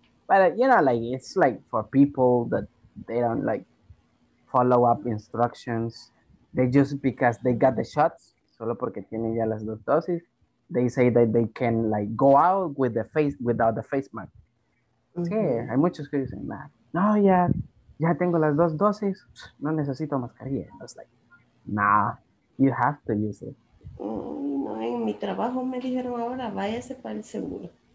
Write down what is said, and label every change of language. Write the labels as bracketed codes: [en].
[en] But you know, like, it's like for people that they don't like follow up instructions. They just because they got the shots, [es] solo porque tienen ya las dos dosis, [en] they say that they can like go out with the face without the face mask. [es] Mm-hmm. Sí, hay muchos que dicen, nah. No, yeah. Ya tengo las dos dosis, no necesito mascarilla. [en] I was like, nah, you have to use it. [es] No, en mi trabajo me dijeron ahora, váyase para el seguro.